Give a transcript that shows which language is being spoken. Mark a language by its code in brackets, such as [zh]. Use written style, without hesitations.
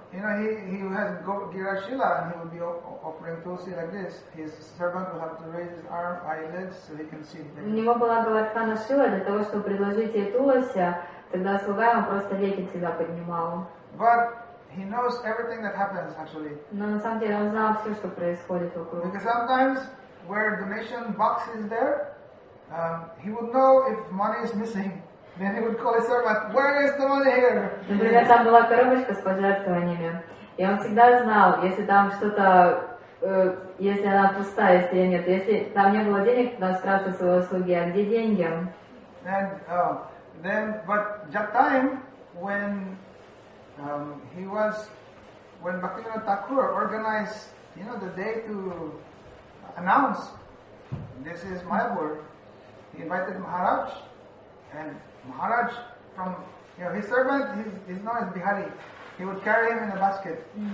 [en] You know, he has Girashila, and he will be offering tulsi like this. His servant will have to raise his eyelids so he can see. [ru] У него была Гварахана Шила для того, чтобы предложить ей тулоси, тогда слуга ему просто веки всегда поднимал. [en] But He knows everything that happens, actually. [ru] Но на самом деле он знает все, что происходит вокруг. [en] Because sometimes, where donation box is there, he would know if money is missing. Then he would call his servant, "Where is the money here?" [ru] Например, там была коробочка с пожертвованиями, и он всегда знал, если там что-то, если она пуста, если ее нет, если там не было денег, то он спрашивал своего слуги, а где деньги? [en] And then, but that time when he was, when Bhaktivinoda Thakur organized, you know, the day to announce, this is Mayapur, he invited Maharaj, and Maharaj from, you know, his servant, he's known as Bihari, he would carry him in a basket.